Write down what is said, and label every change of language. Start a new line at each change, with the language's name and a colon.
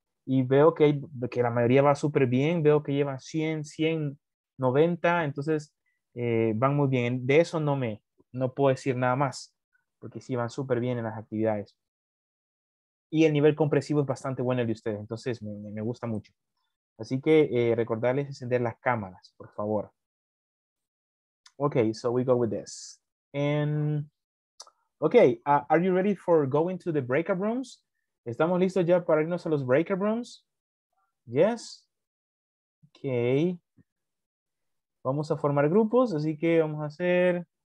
Spanish: Y veo que, la mayoría va súper bien, veo que llevan 100, 100, 90, entonces van muy bien. De eso no puedo decir nada más, porque sí van súper bien en las actividades. Y el nivel compresivo es bastante bueno el de ustedes, entonces me gusta mucho. Así que recordarles encender las cámaras, por favor.
English: Okay, so we go with this. And okay, are you ready for going to the breakout rooms?
Spanish: ¿Estamos listos ya para irnos a los breakout rooms?
English: Yes. Okay.
Spanish: Vamos a formar grupos, así que vamos a hacer...